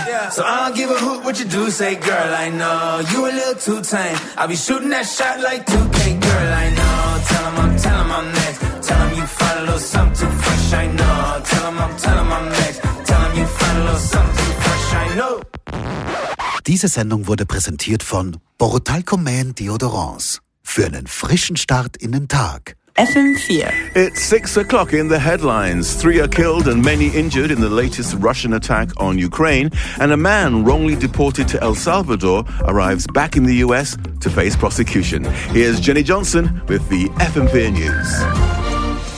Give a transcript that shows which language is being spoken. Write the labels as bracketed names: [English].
[English] So I don't give a hoot what you do say, girl, I know. You a little too tame. I'll be shooting that shot like 2K, girl, I know. Tell 'em I'm next. Tell 'em you find a little something too fresh, I know. Tell 'em I'm next. Tell 'em you find a little something too fresh, I know. [German] Diese Sendung wurde präsentiert von Borotalco Man Deodorants. Für einen frischen Start in den Tag. FM4. [English] It's 6 o'clock in the headlines. 3 are killed and many injured in the latest Russian attack on Ukraine. And a man wrongly deported to El Salvador arrives back in the US to face prosecution. Here's Jenny Johnson with the FM4 News.